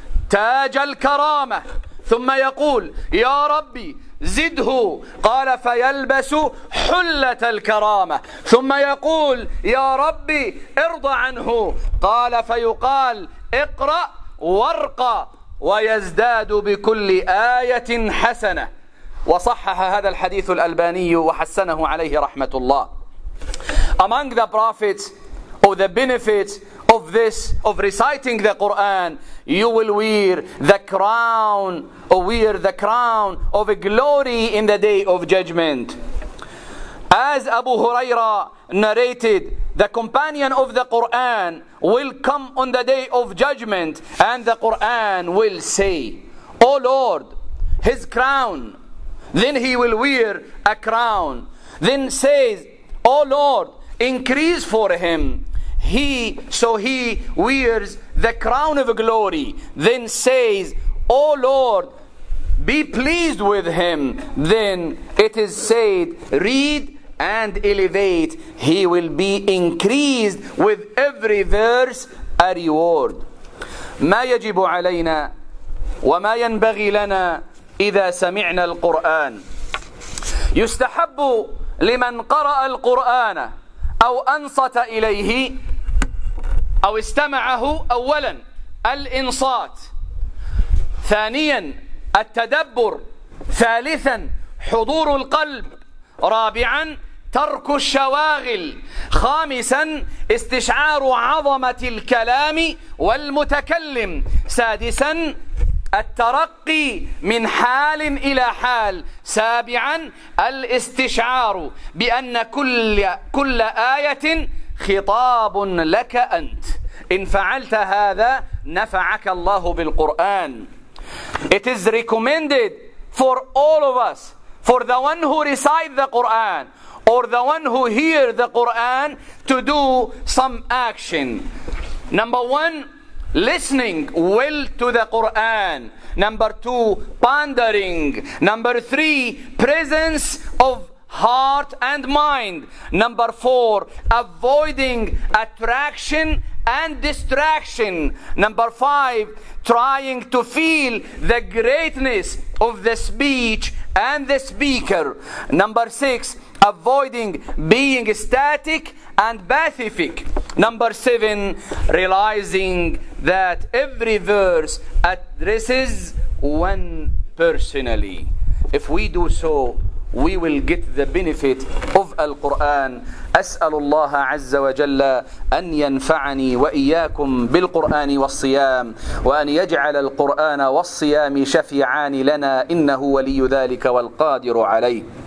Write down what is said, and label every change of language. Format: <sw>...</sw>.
<ar>تاج الكرامة ثم يقول يا ربي زده قال فيلبس حلة الكرامة ثم يقول يا ربي ارض عنه قال فيقال اقرأ وارقى ويزداد بكل آية حسنة. وصحح هذا الحديث الألباني وحسنه عليه رحمة الله.</ar> <en>Among the prophets or the benefits of this, of reciting the Quran, you will wear the crown, or wear the crown of glory in the day of judgment. As Abu Huraira narrated, the companion of the Quran will come on the day of judgment, and the Quran will say, O Lord, his crown. Then he will wear a crown. Then says, O Lord, increase for him. So he wears the crown of glory. Then says, O Lord, be pleased with him. Then it is said, read and elevate. He will be increased with every verse a reward.</en> <ar>ما يجب علينا وما ينبغي لنا إذا سمعنا القرآن. يستحب لمن قرأ القرآن أو أنصت إليه أو استمعه أولا الإنصات، ثانيا التدبر، ثالثا حضور القلب، رابعا ترك الشواغل، خامسا استشعار عظمة الكلام والمتكلم، سادسا الترقي من حال إلى حال، سابعا الاستشعار بأن كل آية خطاب لك أنت، إن فعلت هذا نفعك الله بالقرآن.</ar> <en>It is recommended for all of us, for the one who recites the Quran or the one who hears the Quran, to do some action. Number one, listening well to the Quran. Number two, pondering. Number three, presence of heart and mind. Number four, avoiding attraction and distraction. Number five, trying to feel the greatness of the speech and the speaker. Number six, avoiding being static and pacific. Number seven, realizing that every verse addresses one personally. If we do so, we will get the benefit of Al-Quran.</en> <ar>أسأل الله عز وجل أن ينفعني وإياكم بالقرآن والصيام، وأن يجعل القرآن والصيام شفيعان لنا، إنه ولي ذلك والقادر عليه.</ar>